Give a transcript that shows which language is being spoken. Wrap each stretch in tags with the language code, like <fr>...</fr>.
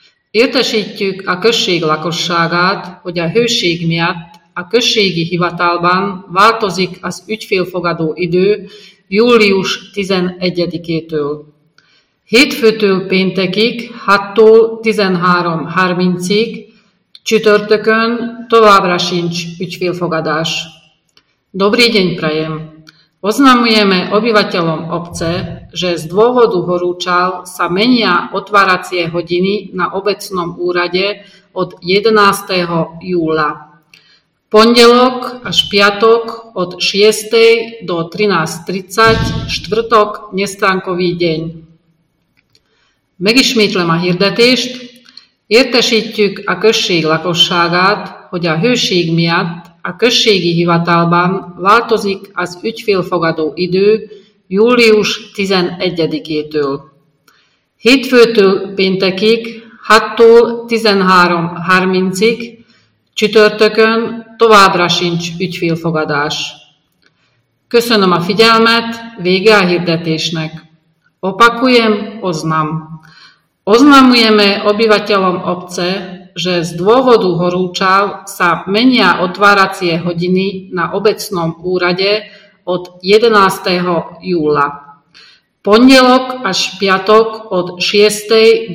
<hu>Értesítjük a község lakosságát, hogy a hőség miatt a községi hivatalban változik az ügyfélfogadó idő július 11-től. Hétfőtől péntekig 6-tól 13:30-ig, csütörtökön továbbra sincs ügyfélfogadás.</hu> <sk>Dobrý deň prajem! Oznamujeme obyvateľom obce, že z dôvodu horúčal sa menia otváracie hodiny na obecnom úrade od 11. júla. Pondelok až piatok od 6. do 13.30, štvrtok nestránkový deň.</sk> <hu>Megismétlem a hirdetést, értesítjük a község lakosságát, hogy a hőség miatt a községi hivatalban változik az ügyfélfogadó idő július 11-től. Hétfőtől péntekig 6-tól 13:30-ig, csütörtökön továbbra sincs ügyfélfogadás. Köszönöm a figyelmet, vége a hirdetésnek.</hu> <sk>Opakujem, oznam. Oznamujeme obyvateľom obce, že z dôvodu horúčav sa menia otváracie hodiny na obecnom úrade od 11. júla. Pondelok až piatok od 6.</sk>